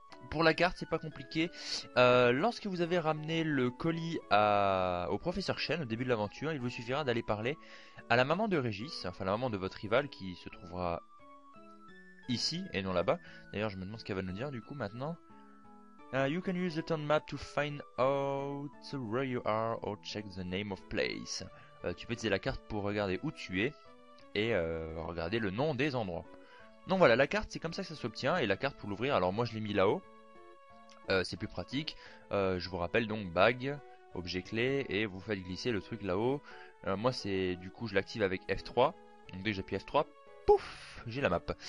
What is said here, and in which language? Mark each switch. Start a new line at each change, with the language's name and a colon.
French: Pour la carte c'est pas compliqué, lorsque vous avez ramené le colis au professeur Chen au début de l'aventure, il vous suffira d'aller parler à la maman de Régis, enfin la maman de votre rival qui se trouvera ici et non là-bas. D'ailleurs je me demande ce qu'elle va nous dire du coup maintenant.
English: You can use the town map to find out where you are or check the name of place.
French: Tu peux utiliser la carte pour regarder où tu es et regarder le nom des endroits. Donc voilà, la carte c'est comme ça que ça s'obtient, et la carte pour l'ouvrir, alors moi je l'ai mis là-haut, c'est plus pratique. Je vous rappelle donc bague, objet clé, et vous faites glisser le truc là-haut. Moi c'est du coup je l'active avec F3, donc dès que j'appuie F3, pouf, j'ai la map.